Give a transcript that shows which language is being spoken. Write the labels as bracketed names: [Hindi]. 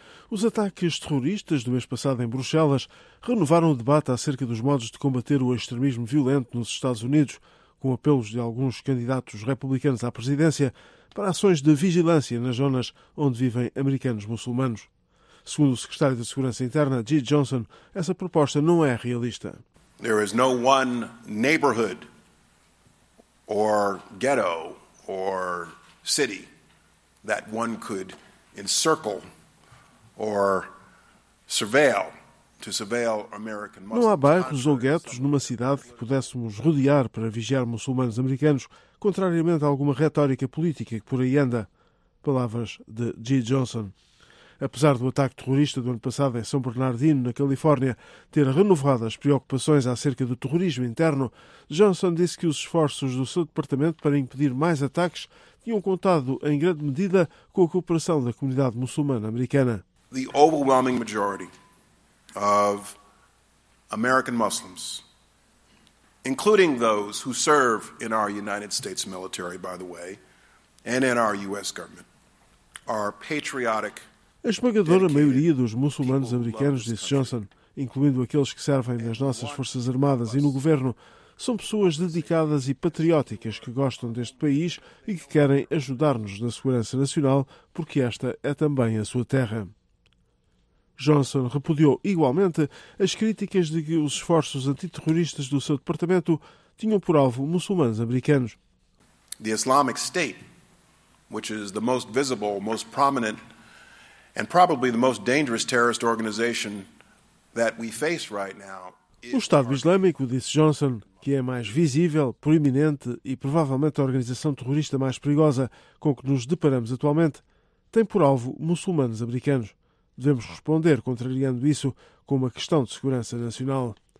[Portuguese] Os ataques terroristas do mês passado em Bruxelas renovaram o debate acerca dos modos de combater o extremismo violento nos Estados Unidos, com apelos de alguns candidatos republicanos à presidência para ações de vigilância nas zonas onde vivem americanos muçulmanos. Segundo o secretário de Segurança Interna, G. Johnson, essa proposta não é realista. [English] There is no one neighborhood or ghetto or city that one could encircle or surveil to surveil American Muslims. [Portuguese] Não há bairros ou guetos numa cidade que pudéssemos rodear para vigiar muçulmanos americanos, contrariamente a alguma retórica política que por aí anda. Palavras de G. Johnson. apesar do ataque terrorista do ano passado em São Bernardino, na Califórnia, ter renovado as preocupações acerca do terrorismo interno, Johnson disse que os esforços do seu departamento para impedir mais ataques tinham contado, em grande medida, com a cooperação da comunidade muçulmana americana. [English] The overwhelming majority of American Muslims, including those who serve in our United States military, by the way, and in our U.S. government, are patriotic. [Portuguese] A esmagadora maioria dos muçulmanos americanos, disse Johnson, incluindo aqueles que servem nas nossas Forças Armadas e no governo, são pessoas dedicadas e patrióticas que gostam deste país e que querem ajudar-nos na segurança nacional, porque esta é também a sua terra. Johnson repudiou igualmente as críticas de que os esforços antiterroristas do seu departamento tinham por alvo muçulmanos americanos. [English] The Islamic State, which is the most visible, most prominent, and probably the most dangerous terrorist organization that we face right now. [Portuguese] O Estado Islâmico, disse Johnson, que é mais visível, proeminente e provavelmente a organização terrorista mais perigosa com que nos deparamos atualmente, tem por alvo muçulmanos americanos. Devemos responder contrariando isso com uma questão de segurança nacional.